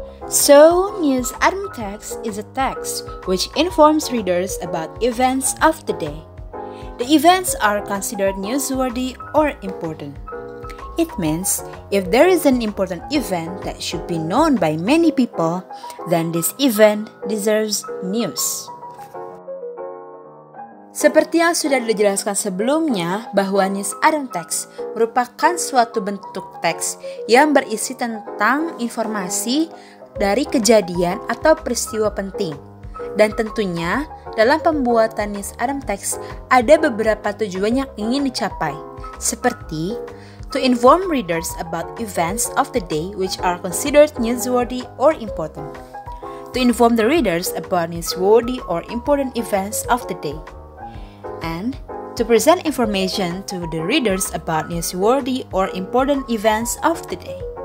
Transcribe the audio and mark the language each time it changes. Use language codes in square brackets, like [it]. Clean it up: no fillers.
[en] So, news item text is a text which informs readers about events of the day. The events are considered newsworthy or important. It means, if there is an important event that should be known by many people, then this event deserves news. [id] Seperti yang sudah dijelaskan sebelumnya, bahwa news item text merupakan suatu bentuk teks yang berisi tentang informasi dari kejadian atau peristiwa penting. Dan tentunya, dalam pembuatan news item text, ada beberapa tujuan yang ingin dicapai. Seperti, [en] to inform readers about events of the day which are considered newsworthy or important. To inform the readers about newsworthy or important events of the day. And to present information to the readers about newsworthy or important events of the day.